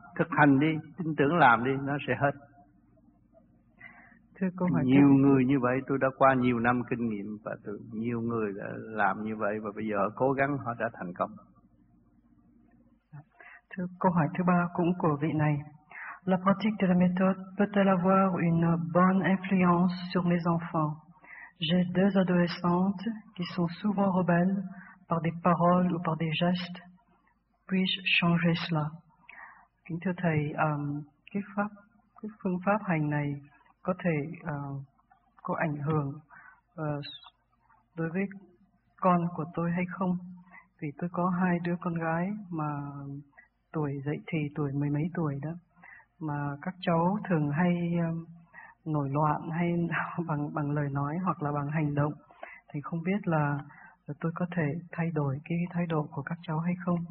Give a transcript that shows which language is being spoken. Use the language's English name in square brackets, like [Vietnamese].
[Vietnamese] Thực hành đi, tin tưởng làm đi, nó sẽ hết. Thưa cô hỏi nhiều cái... người như vậy, tôi đã qua nhiều năm kinh nghiệm và nhiều người đã làm như vậy và bây giờ cố gắng họ đã thành công. Thưa câu hỏi thứ ba cũng của vị này. [French] La pratique de la méthode peut-elle avoir une bonne influence sur mes enfants? J'ai 2 adolescentes qui sont souvent rebelles par des paroles ou par des gestes. Puis-je changer cela? [Vietnamese] Kính thưa Thầy, cái pháp cái phương pháp hành này có thể có ảnh hưởng đối với con của tôi hay không? Vì tôi có hai đứa con gái mà tuổi dậy thì tuổi mười mấy tuổi đó, mà các cháu thường hay nổi loạn hay bằng lời nói hoặc là bằng hành động, thì không biết là tôi có thể thay đổi cái thái độ của các cháu hay không?